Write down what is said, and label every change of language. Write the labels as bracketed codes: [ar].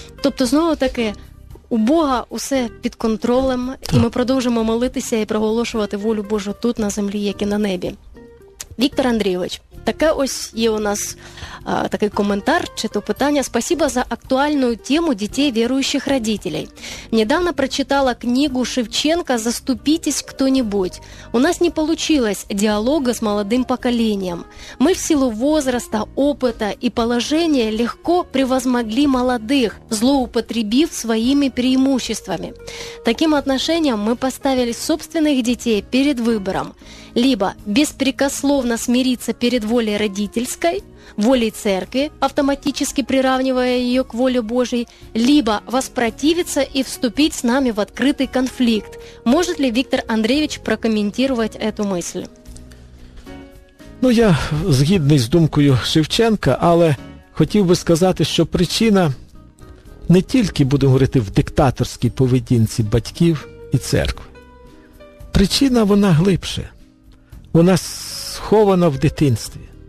[uk] Тобто, знову таки, у Бога усе під контролем, і ми продовжимо молитися і проголошувати волю Божу тут, на землі, як і на небі. Віктор Андрійович, таке ось є у нас такий коментар, чи то питання. [ru] Спасибо за актуальну тему дітей віруючих родителей. Недавно прочитала книгу Шевченка «Заступитесь кто-нибудь». У нас не получилось диалога с молодым поколением. Мы в силу возраста, опыта и положения легко превозмогли молодых, злоупотребив своими преимуществами. Таким отношением мы поставили собственных детей перед выбором. Либо беспрекословно смириться перед волей родительской, волей церкви, автоматически приравнивая ее к воле Божьей, либо воспротивиться и вступить с нами в открытый конфликт. Может ли Виктор Андреевич прокомментировать эту мысль? [uk] Ну, я згідний з думкою Шевченка, але хотів би сказати, що причина не тільки, будемо говорити, в диктаторській поведінці батьків і церкви. Причина, вона глибше. Вона схована в дитинстві.